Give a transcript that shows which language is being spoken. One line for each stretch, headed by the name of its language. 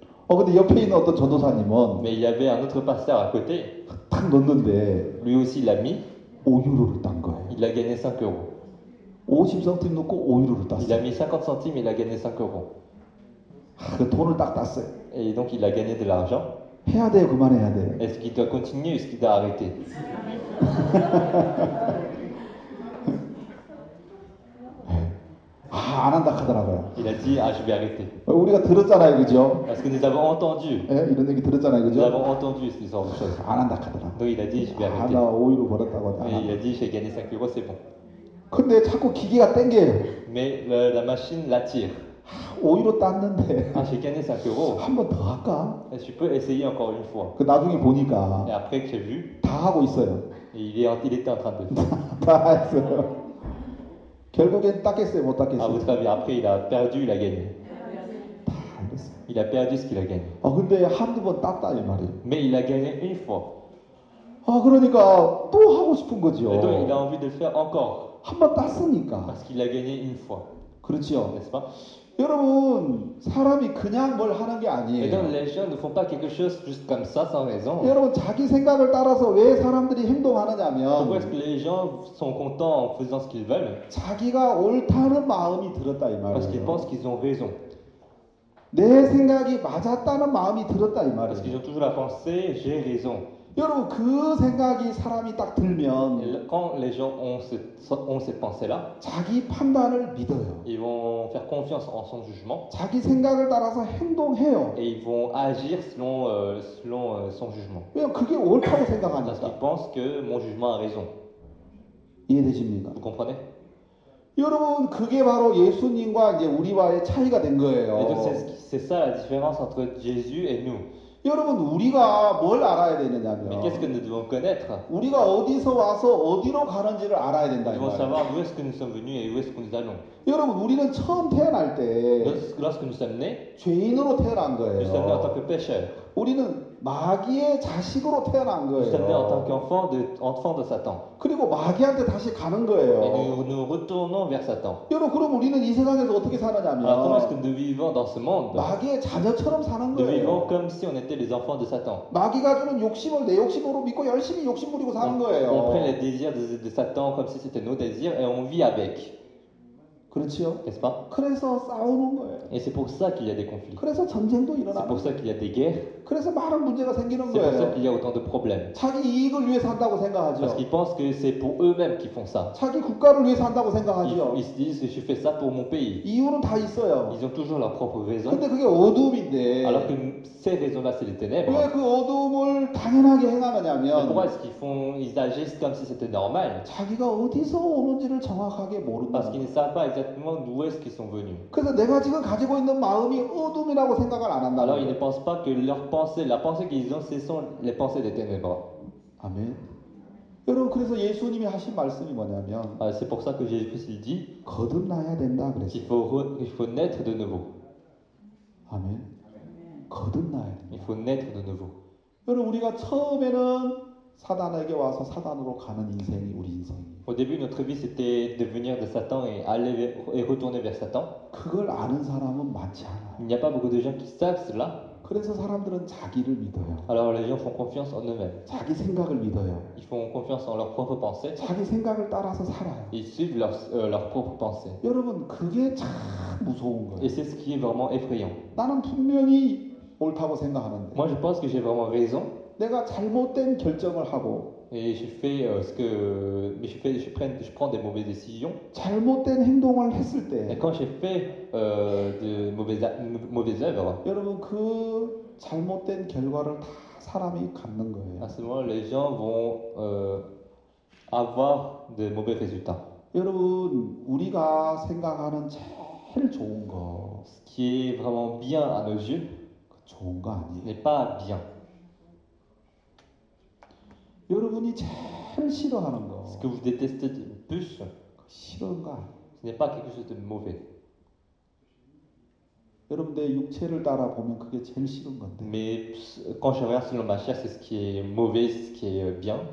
Korean: 근데 옆에 있는 어떤 전도사님은
French: Mais il y avait un autre pasteur à côté.
Korean: 딱 넣는데
French: lui aussi l'a mis
Korean: 5유로를 딴 거예요.
French: Il a gagné 5 €.
Korean: 50cm 넣고 5유로를 땄어.
French: Il a mis 50 cm, il a gagné 5 €.
Korean: 그 돈을 딱 땄어.
French: Et donc il a gagné de l'argent.
Korean: 해야 돼, 그만해야 돼.
French: Est-ce qu'il doit continuer, est-ce qu'il doit arrêter?
Korean: 아, 안 한다 하더라고요.
French: Il a dit, ah, je vais arrêter.
Korean: 우리가 들었잖아요, 그죠?
French: Parce que nous avons entendu.
Korean: 예, 이런 얘기 들었잖아요, 그죠?
French: Nous avons entendu ce genre de choses.
Korean: 안 한다 하더라고요.
French: Donc il a dit, je vais arrêter.
Korean: 아, 나 5유로 벌었다고.
French: Il a dit, j'ai gagné 5 €, c'est bon.
Korean: 근데 자꾸 기계가 땡겨요.
French: Mais la machine l'attire.
Korean: 5유로 땄는데.
French: Ah, j'ai gagné 5 €.
Korean: 한 번 더 할까?
French: Et je peux essayer encore une fois.
Korean: 그 나중에 보니까.
French: Et après que j'ai vu.
Korean: 다 하고 있어요.
French: Il était en train de.
Korean: 다 했어요. 결국엔 닦겠어요, 못 닦겠어요. 아, 그다음에 앞에 이다
French: perdu il a gagné.
Korean: 다 했어.
French: Il a perdu ce qu'il a gagné.
Korean: 아, 근데 한두 번 땄다 이 말이에요.
French: Mais il a gagné une fois.
Korean: 아, 그러니까 또 하고 싶은 거죠.
French: Donc il a envie de le faire encore.
Korean: 한 번 땄으니까.
French: Parce qu'il a gagné une fois.
Korean: 그렇죠.
French: N'est-ce pas?
Korean: 여러분, 사람이 그냥 뭘 하는 게 아니에요.
French: Donc les gens ne font pas quelque chose juste comme ça sans raison.
Korean: 여러분, 자기 생각을 따라서 왜 사람들이 행동하느냐면
French: Pourquoi est-ce que les gens sont contents en faisant ce qu'ils veulent?
Korean: 자기가 옳다는 마음이 들었다 이 말이에요.
French: Parce qu'ils pensent qu'ils ont raison.
Korean: 내 생각이 맞았다는 마음이 들었다 이 말이에요.
French: Parce qu'ils ont toujours la pensée j'ai raison.
Korean: 여러분, 그 생각이 사람이 딱 들면
French: quand les gens ont cette pensée-là,
Korean: 자기 판단을 믿어요.
French: Ils vont faire confiance en son jugement.
Korean: 자기 생각을 따라서 행동해요.
French: Et ils vont agir selon son jugement.
Korean: 왜냐면 그게 옳다고 생각하니까.
French: Parce qu'ils pensent que mon jugement a raison.
Korean: 이해되십니까?
French: Vous comprenez?
Korean: 여러분, 그게 바로 예수님과 이제 우리와의 차이가 된 거예요.
French: Et donc, c'est ça la différence entre Jésus et nous.
Korean: 여러분 우리가 뭘 알아야 되느냐면
French: qu'est-ce que nous devons connaître?
Korean: 우리가 어디서 와서 어디로 가는지를 알아야 된다 이 말이에요.
French: Nous devons savoir où est-ce que nous sommes venus et où est-ce que nous allons.
Korean: 여러분 우리는 처음 태어날 때
French: lorsque nous sommes nés
Korean: 죄인으로 태어난 거예요.
French: Nous sommes nés en tant que pécheurs.
Korean: 우리는 마귀의 자식으로 태어난 거예요.
French: Nous sommes nés en tant qu'enfants d'enfants de Satan.
Korean: 그리고 마귀한테 다시 가는 거예요.
French: Et nous retournons vers Satan.
Korean: 여러분 그럼 우리는 이 세상에서 어떻게 살아냐면
French: Alors, comment est-ce que nous vivons dans ce monde?
Korean: 마귀의 자녀처럼 사는 거예요.
French: Nous vivons comme si on était les enfants de Satan.
Korean: 마귀가 주는 욕심을 내 욕심으로 믿고 열심히 욕심 부리고 사는 거예요.
French: On prend les désirs de Satan comme si c'était nos désirs et on vit avec.
Korean: 그렇지요. 그래서 그래서 싸우는 거예요.
French: Et c'est pour ça qu'il y a des conflits.
Korean: 그래서 전쟁도 일어나.
French: C'est pour ça qu'il y a des guerres.
Korean: 그래서 많은 문제가 생기는
French: c'est
Korean: 거예요.
French: C'est pour ça qu'il y a autant de problèmes.
Korean: 자기 이익을 위해서 한다고 생각하죠.
French: Parce qu'ils pensent que c'est pour eux-mêmes qu'ils font ça.
Korean: 자기 국가를 위해서 한다고 생각하죠.
French: Ils se disent je fais ça pour mon pays.
Korean: 이유는 다 있어요.
French: Ils ont toujours leur propre raison.
Korean: 근데 그게 어둠인데.
French: Alors que ces raisons-là, c'est les ténèbres.
Korean: 왜 그 어둠을 당연하게 행하느냐면.
French: Mais pourquoi est-ce qu'ils font ils agissent comme si c'était normal?
Korean: 자기가 어디서 오는지를 정확하게 모른다.
French: Parce qu'ils ne savent pas exactement d'où est-ce qu'ils sont venus.
Korean: 그래서 내가 지금 가지고 있는 마음이 어둠이라고 생각을 안 한다.
French: Alors ils ne pensent pas que leur pensée, la pensée qu'ils ont, ce sont les pensées des ténèbres. Amen.
Korean: 여러분 그래서 예수님이 하신 말씀이 뭐냐면,
French: c'est pour ça que Jésus il dit,
Korean: 거듭나야 된다 그랬어.
French: Il faut naître de nouveau.
Korean: Amen. 거듭나야 된다.
French: Il faut naître de nouveau.
Korean: 여러분 우리가 처음에는 사단에게 와서 사단으로 가는 인생이 우리 인생.
French: Au début, notre vie c'était devenir de Satan et retourner vers Satan.
Korean: 그걸 아는 사람은 많지 않아.
French: Il n'y a pas beaucoup de gens qui savent cela.
Korean: 그래서 사람들은 자기를 믿어요.
French: Alors les gens font confiance en eux-mêmes.
Korean: 자기 생각을 믿어요.
French: Ils font confiance en leur propre pensée.
Korean: 자기 생각을 따라서 살아요.
French: Ils suivent leur propre pensée.
Korean: 여러분 그게 참 무서운 거예요.
French: Et c'est ce qui est vraiment effrayant.
Korean: 나는 분명히 옳다고 생각하는데.
French: Moi je pense que j'ai vraiment raison.
Korean: 내가 잘못된 결정을 하고.
French: Et je fais ce que je prends des mauvaises décisions.
Korean: 잘못된 행동을 했을 때.
French: Et quand j'ai fait de mauvaises œuvres.
Korean: 여러분 그 잘못된 결과를 다 사람이 갖는 거예요.
French: À ce moment, les gens vont avoir de mauvais résultats.
Korean: 여러분, 우리가 생각하는 제일 좋은 거,
French: Ce qui est vraiment bien à nos yeux
Korean: 좋은 거 아니에요.
French: n'est pas bien.
Korean: 여러분이 제일 싫어하는 거,
French: Ce que vous détestez le plus, sinon quoi? ce n'est pas quelque chose de mauvais.
Korean: 여러분 내 육체를 따라 보면 그게 제일 싫은 건데.
French: Mais quand je regarde selon ma chair, c'est ce qui est mauvais, ce qui est bien.